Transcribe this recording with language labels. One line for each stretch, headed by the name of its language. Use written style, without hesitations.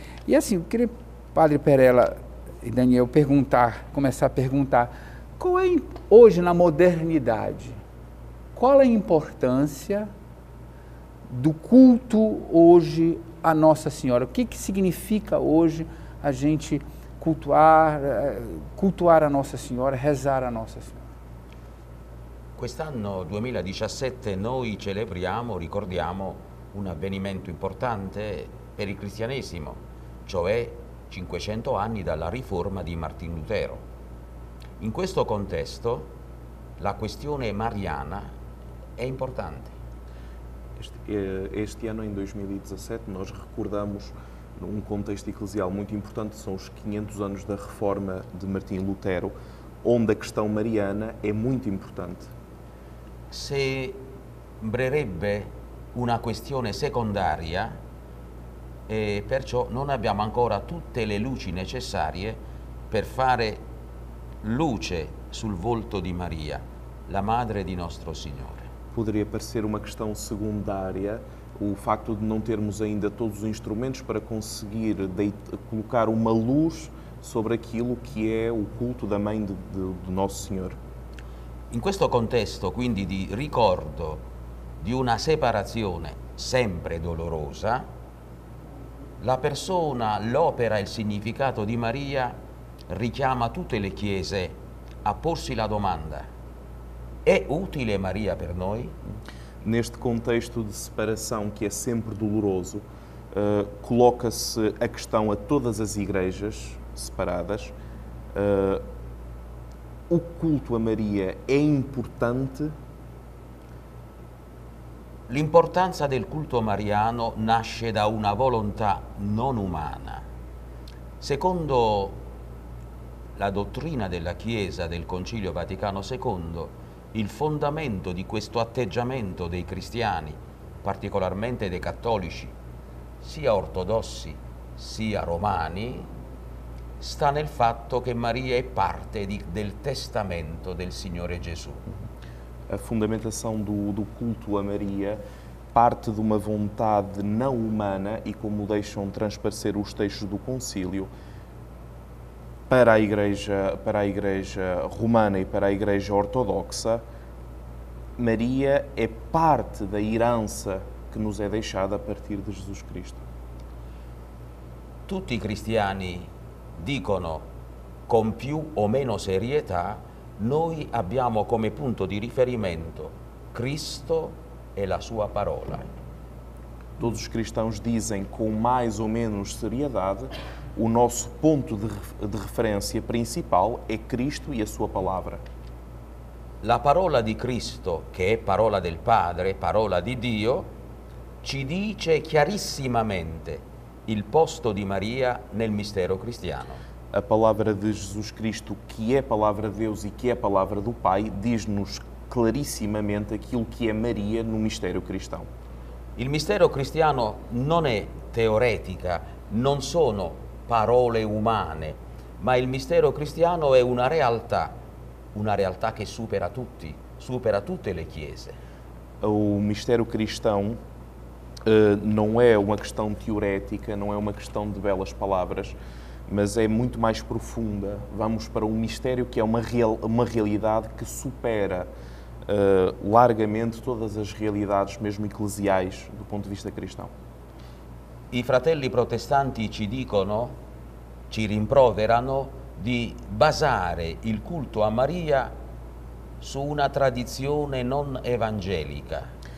Portuguese: E assim, eu queria, padre Perella e Daniel, começar a perguntar, qual é, hoje na modernidade, qual é a importância do culto hoje à Nossa Senhora? O que significa hoje a gente cultuar a Nossa Senhora, rezar a Nossa Senhora?
Italian: Quest'anno 2017 noi celebriamo, ricordiamo un avvenimento importante per il cristianesimo, cioè 500 anni dalla riforma di Martin Lutero. In questo contesto la questione mariana è importante.
Portuguese: Este anno in 2017
Italian: noi ricordiamo
Portuguese: um contexto eclesial muito importante, são os 500 anos da reforma de Martin Lutero, onde a questão mariana é muito importante.
Italian: Sembrerebbe una questione secondaria e perciò non abbiamo ancora tutte le luci necessarie per fare luce sul volto di Maria, la madre di nostro Signore.
Portuguese: Poderia parecer uma questão secundária o facto de não termos ainda todos os instrumentos para conseguir colocar uma luz sobre aquilo que é o culto da Mãe do Nosso Senhor.
Italian: In questo contesto, quindi, di ricordo di una separazione sempre dolorosa, la persona, l'opera e il significato di Maria richiama tutte le chiese a porsi la domanda: è utile Maria per noi?
Portuguese: Neste contexto de separação que é sempre doloroso, coloca-se a questão a todas as igrejas separadas. O culto a Maria é importante?
Italian: L'importanza del culto mariano nasce da una volontà non umana. Secondo la dottrina della Chiesa del Concilio Vaticano II, il fondamento di questo atteggiamento dei cristiani, particolarmente dei cattolici, sia ortodossi sia romani, sta nel fatto che Maria è parte del testamento del Signore Gesù.
Portuguese: A fundamentação do culto a Maria parte de uma vontade não humana e, como deixam transparecer os textos do concílio, para a igreja romana e para a igreja ortodoxa, Maria é parte da herança que nos é deixada a partir de Jesus Cristo.
Italian: Tutti i cristiani dicono com più ou meno serietà: noi abbiamo come punto di riferimento Cristo e la sua parola.
Portuguese: Todos os cristãos dizem com mais ou menos seriedade: o nosso ponto de referência principal é Cristo e a sua palavra.
Italian: La parola di Cristo, che è parola del Padre, parola di Dio, ci dice chiarissimamente il posto di Maria nel mistero cristiano.
Portuguese: A palavra de Jesus Cristo, que é a palavra de Deus e que é a palavra do Pai, diz-nos clarissimamente aquilo que é Maria no mistério cristão.
Italian: Il mistero cristiano non è teoretica, non sono parole umane, ma il mistero cristiano è una realtà che supera tutti, supera tutte le chiese.
Portuguese: O mistério cristão não é uma questão teorética, não é uma questão de belas palavras, mas é muito mais profunda. Vamos para um mistério que é uma realidade que supera largamente todas as realidades, mesmo eclesiais, do ponto de vista cristão.
Italian: I fratelli protestanti ci dicono, ci rimproverano di basare il culto a Maria su una tradizione non evangelica.